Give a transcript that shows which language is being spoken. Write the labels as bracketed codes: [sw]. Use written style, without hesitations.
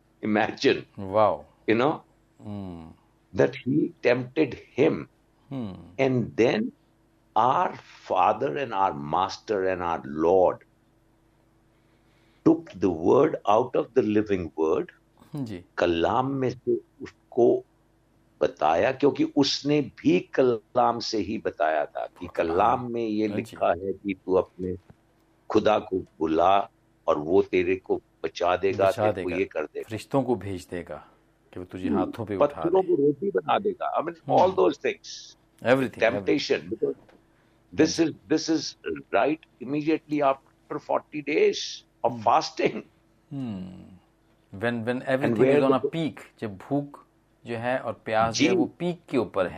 [en] Imagine. Wow. You know, that he tempted him. And then our father and our master and our Lord took the word out of the living word. [ur] کلام میں سے اس کو بتایا, کیونکہ اس نے بھی کلام سے ہی بتایا تھا کہ کلام میں یہ لکھا ہے کہ تو اپنے خدا کو بلا اور وہ تیرے کو بچا دے گا, وہ یہ کر دے گا, فرشتوں کو بھیج دے گا کہ وہ تجھے ہاتھوں پہ اٹھا دے, پتھروں کو روٹی بنا دے گا. [en] I mean all those things, everything, temptation, this is right immediately after 40 days of fasting. When everything is on a peak, [ur] جب بھوک جو ہے اور پیاس جو ہے وہ پیک کے اوپر ہے,